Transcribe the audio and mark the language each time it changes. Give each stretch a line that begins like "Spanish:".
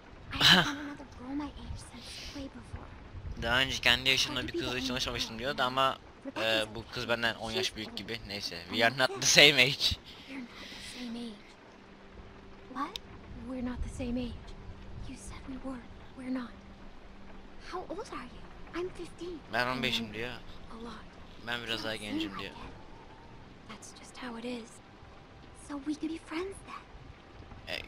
English: I've known another girl my age since way before.
Turkish: Daha önce kendi yaşımda bir kızla çalışmamıştım diyordu ama bu kız benden 10 yaş büyük gibi.
English: Neyse. We are not the same age. We're not the same age. What? We're not the same age. You said we were. We're not. How old are you? I'm 15.
Turkish: Ben 15'im diyor. Ben biraz daha gencim diyor.
English: That's just how it is. So we could be friends then.